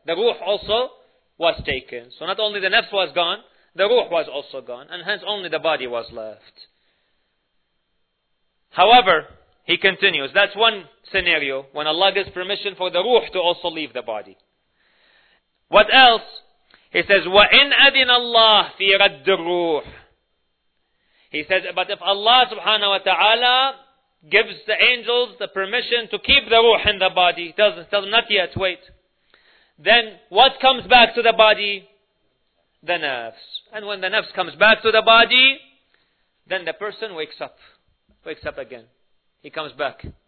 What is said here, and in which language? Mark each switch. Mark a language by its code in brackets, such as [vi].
[en] The ruh also was taken. So not only the nafs was gone, the ruh was also gone. And hence only the body was left. However, he continues, that's one scenario when Allah gives permission for the ruh to also leave the body. What else? He says, [ar] وَإِنْ أَذِنَ اللَّهِ فِي رَدِّ الرُّوحِ. [en] He says, but if Allah subhanahu wa ta'ala gives the angels the permission to keep the ruh in the body, tells them not yet, wait. Then what comes back to the body? The nafs. And when the nafs comes back to the body, then the person wakes up again. He comes back.